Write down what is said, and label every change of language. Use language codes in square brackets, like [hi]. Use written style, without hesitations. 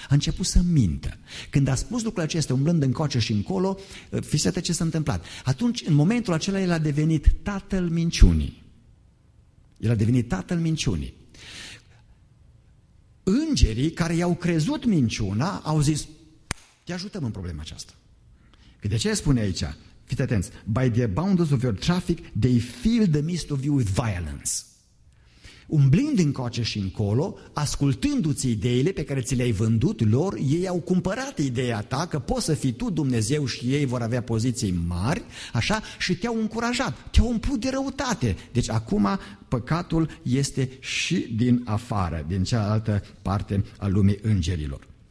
[ro] A început să mintă. Când a spus lucrul acesta, umblând încoace și încolo, fiți atent ce s-a întâmplat. Atunci, în momentul acela, el a devenit tatăl minciunii. El a devenit tatăl minciunii. Îngerii care i-au crezut minciuna au zis: te ajutăm în problema aceasta. Că de ce spune aici? Fiți atenți. [en] By the abundance of your traffic, they fill the midst of you with violence. [ro] Umblind încoace și încolo, ascultându-ți ideile pe care ți le-ai vândut lor, ei au cumpărat ideea ta că poți să fii tu Dumnezeu și ei vor avea poziții mari, așa, și te-au încurajat, te-au umplut de răutate. Deci acum păcatul este și din afară, din cealaltă parte a lumii îngerilor.